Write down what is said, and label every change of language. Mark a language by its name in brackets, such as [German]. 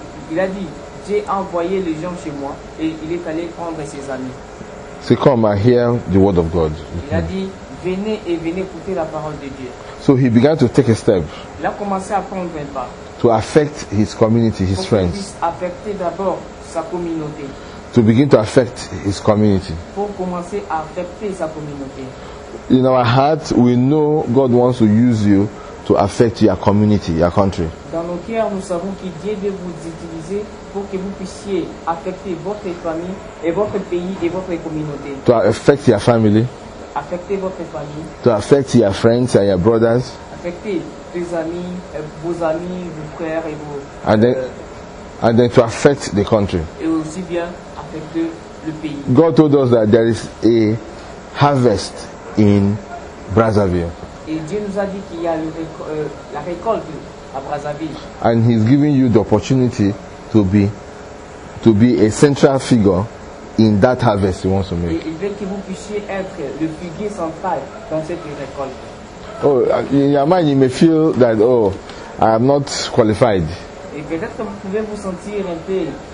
[French] Il a dit, j'ai envoyé les gens chez moi et il est allé prendre ses amis. [English] So come and hear the word of God. [French] Il a dit, venez et venez écouter la parole de Dieu. [English] So he began to take a step. [French] Il a commencé à prendre un pas. [English] To affect his community, his friends. [French] Pour qu'il puisse affecter d'abord sa communauté. [English] To begin to affect his community. [French] Pour commencer à affecter sa communauté. [English] In our heart, we know God wants to use you to affect your community, your country. [French] Dans nos cœurs, nous savons que Dieu veut vous utiliser pour que vous puissiez affecter votre famille et votre pays et votre communauté. [English] To affect your family. [French] Affecter votre famille. [English] To affect your friends and your brothers. [French] Affecter vos amis, vos frères et vos. [English] And then to affect the country. [French] Et aussi bien affecter le pays. [English] God told us that there is a harvest in Brazzaville. [French] Et Dieu nous a dit qu'il y a la récolte à Brazzaville. [English] And he's giving you the opportunity to be a central figure in that harvest he wants to make. [French] Et il veut que vous puissiez être le figuier central dans cette récolte. [English] Oh, in your mind you may feel that, oh, I am not qualified. [French] Et peut-être que vous pouvez vous sentir un peu.